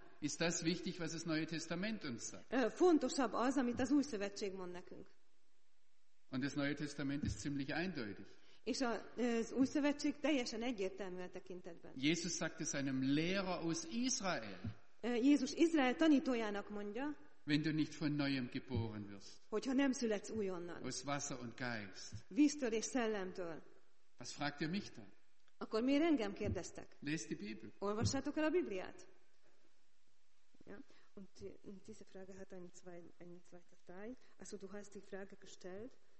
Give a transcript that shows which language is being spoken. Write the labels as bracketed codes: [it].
[de] Ist das wichtig, was das Neue Testament uns sagt? [hu] Fontosabb az, amit az Új Szövetség mond nekünk. [de] Und das Neue Testament ist ziemlich eindeutig. [hu] És az Új Szövetség teljesen egyértelmű a tekintetben. [de] Jesus sagte seinem Lehrer aus Israel. [hu] Jézus Izrael tanítójának mondja. [de] Wenn du nicht von neuem geboren wirst. [hu] Hogyha nem születsz újonnan. [de] Aus Wasser und Geist. [hu] Víztől és szellemtől. [de] Was fragt ihr mich da? [hu] Akkor miért engem kérdeztek? [de] Lest die Bibel. [hu] Olvassátok el a Bibliát. [de] Ja. Und diese Frage hat einen zweiten Teil. Also du hast die Frage gestellt.